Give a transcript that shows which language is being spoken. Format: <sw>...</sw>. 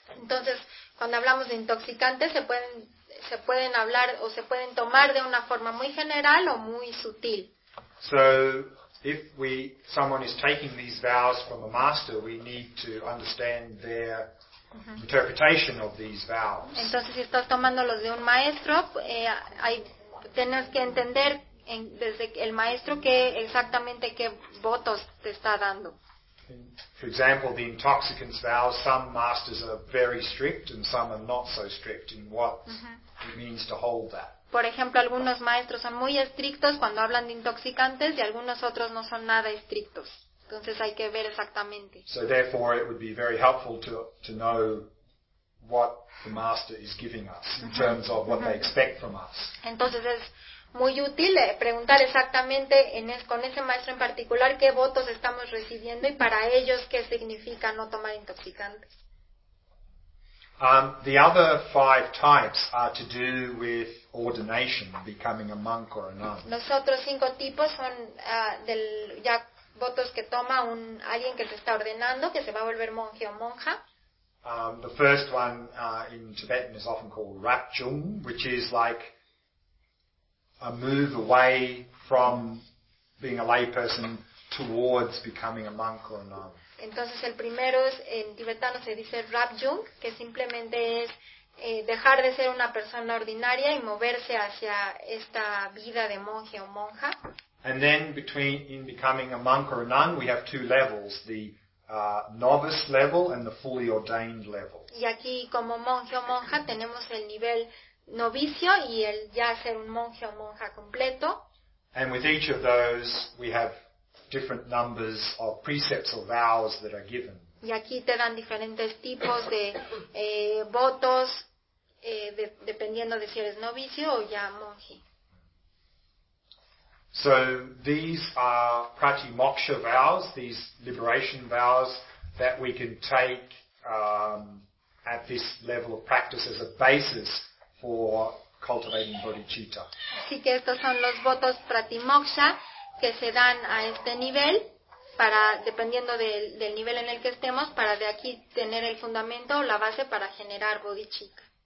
<es>Entonces, cuando hablamos de intoxicantes, se pueden hablar o se pueden tomar de una forma muy general o muy sutil.</es> <en>So, if someone is taking these vows from a master, we need to understand their interpretation of these vows.</en> <es>Entonces, si estás tomándolos de un maestro, tienes que entender desde el maestro qué votos te está dando.</es> <en>For example, the intoxicants vows, some masters are very strict and some are not so strict in what it means to hold that.</en> <es>Por ejemplo, algunos maestros son muy estrictos cuando hablan de intoxicantes y algunos otros no son nada estrictos. Entonces hay que ver exactamente.</es> <en>So therefore it would be very helpful to know what the master is giving us in terms of what they expect from us.</en> <es>Entonces es muy útil preguntar exactamente con ese maestro en particular qué votos estamos recibiendo y para ellos qué significa no tomar intoxicantes.</es> <en>The other five types are to do with ordination, becoming a monk or a nun.</en> <es>Los otros cinco tipos son del ya votos que toma alguien que se está ordenando, que se va a volver monje o monja.</es> <en>The first one in Tibetan is often called rapchung, which is like a move away from being a lay person towards becoming a monk or a nun.</en> <es>Entonces el primero en tibetano se dice rapchung, que simplemente es dejar de ser una persona ordinaria y moverse hacia esta vida de monje o monja.</es> <en>And then in becoming a monk or a nun, we have two levels, the novice level and the fully ordained level.</en> <es>Y aquí como monje o monja tenemos el nivel novicio y el ya ser un monje o monja completo.</es> <en>And with each of those, we have different numbers of precepts or vows that are given.</en> <es>Y aquí te dan diferentes tipos de votos dependiendo de si eres novicio o ya monje.</es> <en>So these are pratimoksha vows, these liberation vows that we can take at this level of practice as a basis for cultivating bodhicitta.</en> <es>Así que estos son los votos pratimoksha que se dan a este nivel, para dependiendo del nivel en el que estemos, para de aquí tener el fundamento o la base para generar bodhicitta.</es>